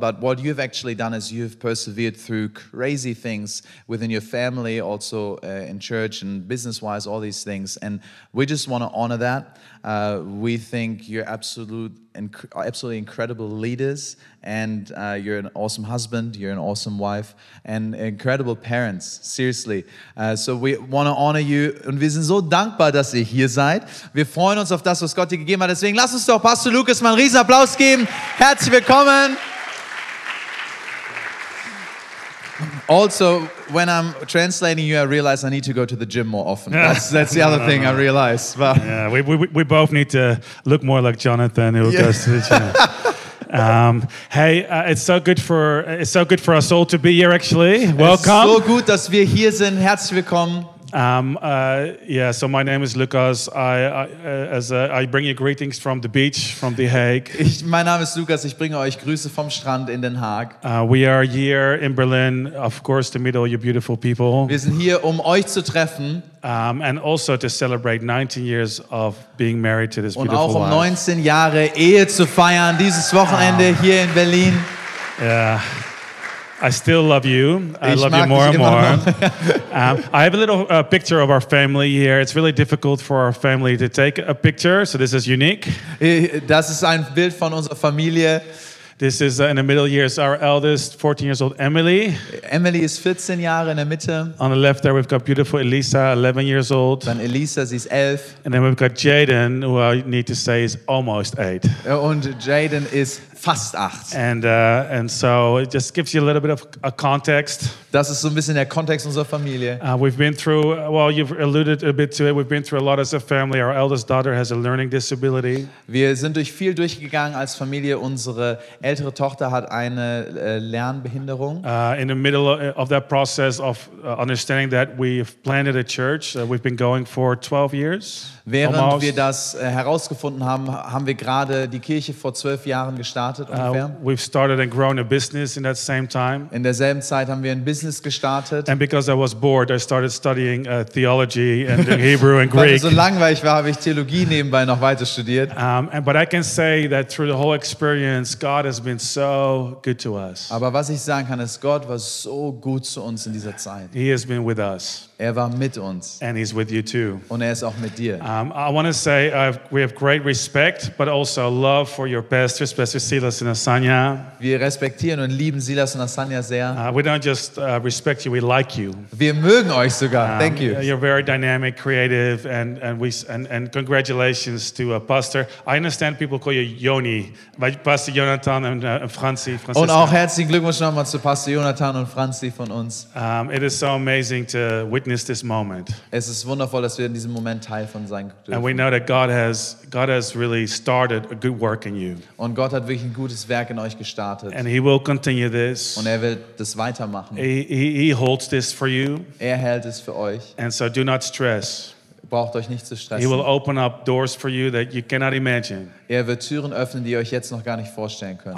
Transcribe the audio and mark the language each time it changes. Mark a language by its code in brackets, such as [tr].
[en] But what you've actually done is you've persevered through crazy things within your family, also in church and business-wise, all these things. And we just want to honor that. We think you're absolutely incredible leaders, and you're an awesome husband, you're an awesome wife, and incredible parents, seriously. So we want to honor you, [de] und wir sind so dankbar, dass ihr hier seid. Wir freuen uns auf das, was Gott dir gegeben hat. Deswegen lass uns doch Pastor Lucas mal einen riesen Applaus geben. Herzlich willkommen. [en] Also, when I'm translating you, I realize I need to go to the gym more often. That's the other thing I realize. But. Yeah, we both need to look more like Jonathan, who goes to the gym. Hey, it's so good for us all to be here. Actually, welcome. It's so good that we're here. [de] Sind herzlich willkommen. [en] So my name is Lucas. I bring you greetings from the beach, from The Hague. [de] Mein Name ist Lucas. Ich bringe euch Grüße vom Strand in Den Haag. [en] We are here in Berlin, of course, to meet all you beautiful people. [de] Wir sind hier, um euch zu treffen. [en] And also to celebrate 19 years of being married to this [de] und [en] beautiful wife. [de] Und auch um 19 Jahre Ehe zu feiern dieses Wochenende hier in Berlin. [en] Yeah. I still love you. I love you more and more. I have a little picture of our family here. It's really difficult for our family to take a picture, so this is unique. [de] Das ist ein Bild von unserer Familie. [en] This is in the middle years, our eldest, 14 years old, Emily. [de] Emily is 14 Jahre in der Mitte. [en] On the left there, we've got beautiful Elisa, 11 years old. [de] Dann Elisa, sie ist 11. [en] And then we've got Jaden, who I need to say is almost 8. [de] Und Jaden ist fast 8. [en] And so it just gives you a little bit of a context. [de] Das ist so ein bisschen der Kontext unserer Familie. [en] We've been through, well, you've alluded a bit to it, we've been through a lot as a family. Our eldest daughter has a learning disability. [de] Wir sind durch viel durchgegangen als Familie. Unsere ältere Tochter hat eine Lernbehinderung. [en] In the middle of that process of understanding that, we've planted a church. We've been going for 12 years. [de] Während [en] almost. [de] Wir das herausgefunden haben, haben wir gerade die Kirche vor 12 Jahren gestartet ungefähr. [en] We've started and grown a business in that same time. [de] In derselben Zeit haben wir ein Business gestartet. [en] And because I was bored, I started studying theology and Hebrew and Greek. [de] Weil ich so langweilig war, habe ich Theologie nebenbei noch weiter studiert. [en] But I can say that through the whole experience, God has been so good to us. [de] Aber was ich sagen kann, ist, Gott war so gut zu uns in dieser Zeit. [en] He has been with us. [de] Er war mit uns. [en] And he's with you too. [de] Und er ist auch mit dir. [en] I want to say we have great respect, but also love for your pastors, Pastor Silas and Asanya. [de] Wir respektieren und lieben Silas und Asanya sehr. [en] We don't just respect you; we like you. [de] Wir mögen euch sogar. [en] Thank you. You're very dynamic, creative, and congratulations to a pastor. I understand people call you Yoni, but Pastor Jonathan and Franzi. Francesca. [de] Und auch herzlichen Glückwunsch nochmal zu Pastor Jonathan und Franzi von uns. [en] It is so amazing to witness this moment. [de] Es ist wundervoll, dass wir in diesem Moment Teil von [en] and we know that God has really started a good work in you. [de] Und Gott hat wirklich ein gutes Werk in euch gestartet. [en] And he will continue this. [de] Und er wird das weitermachen. [en] He holds this for you. [de] Er hält es für euch. [en] And so do not stress. [de] Braucht euch nicht zu stressen. [en] He will open up doors for you that you cannot imagine. [de] Er wird Türen öffnen, die ihr euch jetzt noch gar nicht vorstellen könnt.